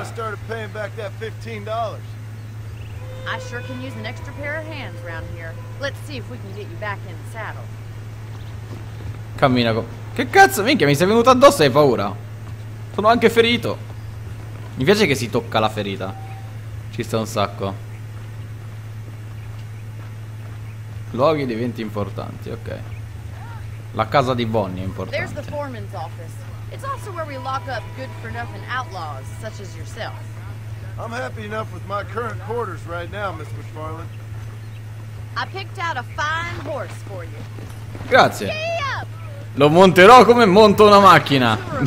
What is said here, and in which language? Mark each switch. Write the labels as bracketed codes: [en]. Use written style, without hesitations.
[en] I sure can use an extra pair of hands around here. Let's see if we can get you back in the saddle. [it] Cammina. Che cazzo, minchia, mi sei venuto addosso e hai paura? Sono anche ferito. Mi piace che si tocca la ferita. Ci sta un sacco. Luoghi di eventi importanti, ok. La casa di Bonnie è importante. [en] There's the foreman's office. It's also where we lock up good for nothing outlaws such as yourself. I'm happy enough with my current quarters right now, Miss McFarland. I picked out a fine horse for you. [it] Grazie. Lo monterò come monto una macchina.